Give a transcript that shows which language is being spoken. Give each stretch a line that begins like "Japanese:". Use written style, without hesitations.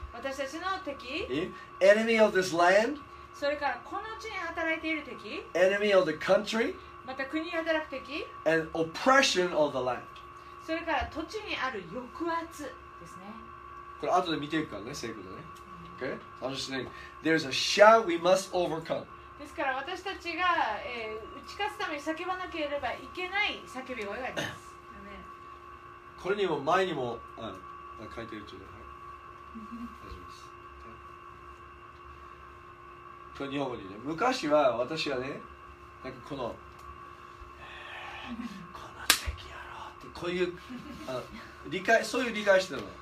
Japanese: 私たちの敵?
English: Enemy of this land?
Japanese: それからこの地に働いている敵?
English: Enemy of the country?
Japanese: また国に働く敵?
English: And oppression of the land.
Japanese: それから土地にある抑圧。これ後で見ていくからね、聖句でね。
English: Okay? I'm just saying, there's a shout we must overcome.
Japanese: ですから私たちが、打ち勝つために叫ばなければいけない叫び声があります。これにも前にも書いてるというか、はい。大丈夫です。これ日本語でね、昔は私はね、なんかこの、この敵やろって、こういう、理解、そういう理解してたの。